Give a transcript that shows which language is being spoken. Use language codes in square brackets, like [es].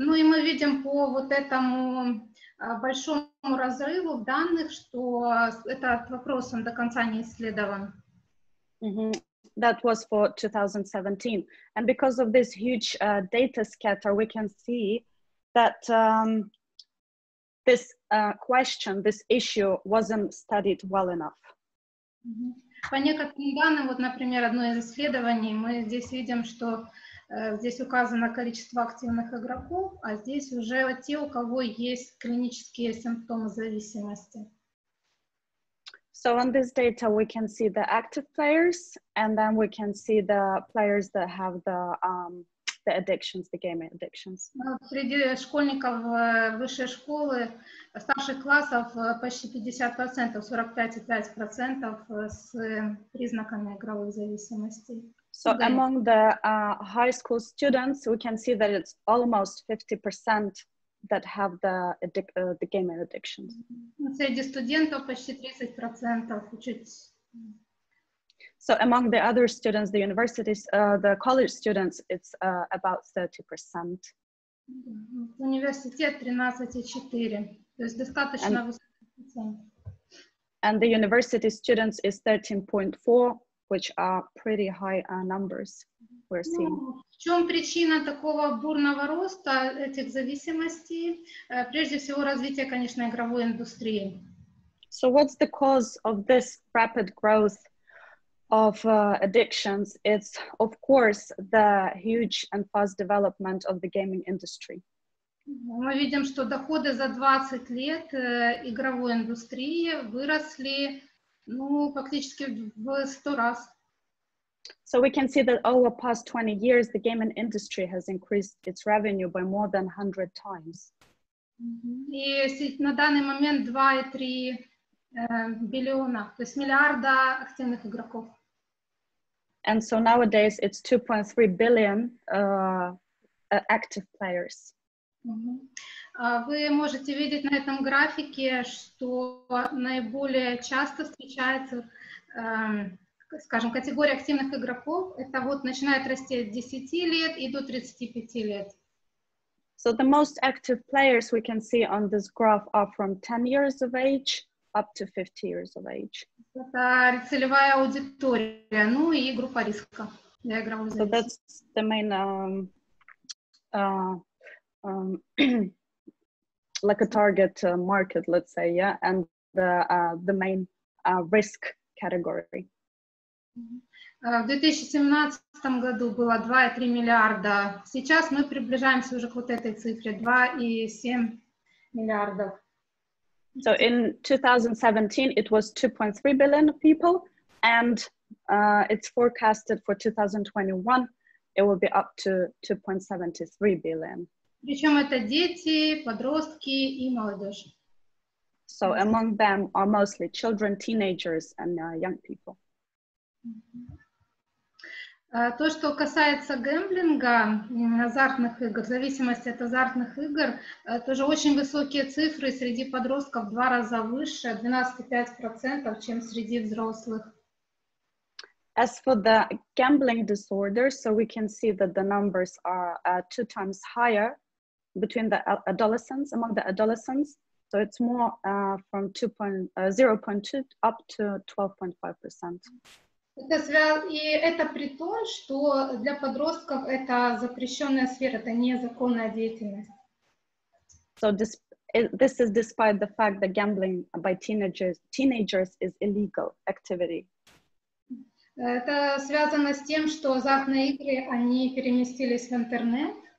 [ru] Ну и мы видим по вот этому большому разрыву в данных, что этот вопрос он до конца не исследован. [en] That was for 2017. And because of this huge data scatter, we can see that this question, this issue wasn't studied well enough. [ru] По некоторым данным, вот, например, одно из исследований, мы здесь видим, что здесь указано количество активных игроков, а здесь уже те, у кого есть клинические симптомы зависимости. [en] So on this data we can see the active players, and then we can see the players that have the addictions, the gaming addictions. [ru] Среди школьников высшей школы, старших классов, почти 50%, 45,5% с признаками игровых зависимостей. [en] So among the high school students, we can see that it's almost 50% that have the gaming addictions. [ru] Среди студентов почти 30%, чуть. [en] So among the other students, the universities, the college students, it's about 30%. [ru] Университет 13,4. То есть достаточно высокий процент. [en] And the university students is 13.4, which are pretty high numbers we're seeing. [ru] В чем причина такого бурного роста этих зависимостей? Прежде всего, развитие, конечно, игровой индустрии. [en] So what's the cause of this rapid growth of addictions? It's, of course, the huge and fast development of the gaming industry. [ru] Мы видим, что доходы за 20 лет игровой индустрии выросли, ну, практически в 100 раз. [en] So we can see that over past 20 years, the gaming industry has increased its revenue by more than 100 times. [ru] И на данный момент 2.3 биллиона, то есть миллиарда активных игроков. [en] And so nowadays it's 2.3 billion active players. [ru] Вы можете видеть на этом графике, что наиболее часто встречается, скажем, категория активных игроков, это вот начинает расти от 10 лет и до 35 лет. [en] So the most active players we can see on this graph are from 10 years of age up to 50 years of age. [ru] Это целевая аудитория, ну и группа риска для игровой зависимости. [en] So that's the main like a target market, let's say, yeah, and the main risk category. [ru] В 2017 году было 2.3 миллиарда. Сейчас мы приближаемся уже к вот этой цифре 2.7 миллиарда. [en] So in 2017 it was 2.3 billion people, and it's forecasted for 2021 it will be up to 2.73 billion. [ru] Причем это дети, подростки и молодежь. [en] So among them are mostly children, teenagers and young people. [ru] То, что касается гэмблинга, азартных игр, зависимости от азартных игр, тоже очень высокие цифры среди подростков, в два раза выше, 12.5%, чем среди взрослых. [en] As for the gambling disorder, so we can see that the numbers are two times higher between the adolescents, among the adolescents, so it's more from 0.2 up to 12.5%. [ru] Это и это при том, что для подростков это запрещенная сфера, это незаконная деятельность. [en] So this is despite the fact that gambling by teenagers is illegal activity. [ru] Это связано с тем, что азартные игры, они переместились в интернет.